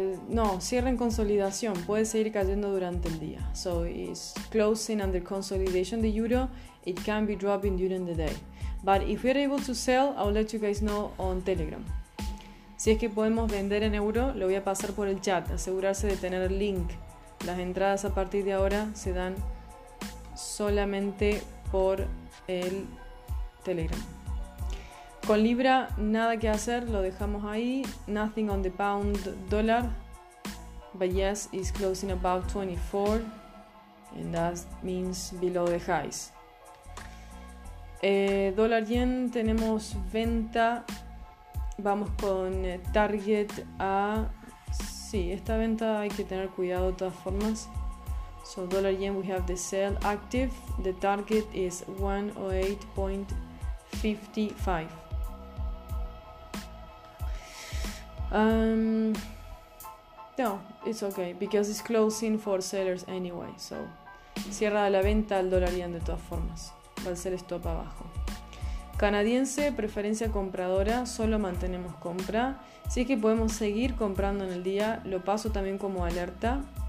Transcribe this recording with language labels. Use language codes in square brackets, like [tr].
[es] No, cierre en consolidación, puede seguir cayendo durante el día. [en] So it's closing under consolidation the euro, it can be dropping during the day. But if we're able to sell, I'll let you guys know on Telegram. [es] Si es que podemos vender en euro, lo voy a pasar por el chat, asegurarse de tener el link. Las entradas a partir de ahora se dan solamente por el Telegram. Con libra nada que hacer, lo dejamos ahí. [en] Nothing on the pound dollar, but yes, it's closing above 24, and that means below the highs. [es] Dólar yen tenemos venta, vamos con target a, sí, esta venta hay que tener cuidado de todas formas. [en] So dólar yen we have the sell active, the target is 108.55. No, it's okay because it's closing for sellers anyway. [es] So, cierra la venta al dólar yen de todas formas. Va a ser stop abajo. Canadiense, preferencia compradora, solo mantenemos compra. Si es que podemos seguir comprando en el día, lo paso también como alerta.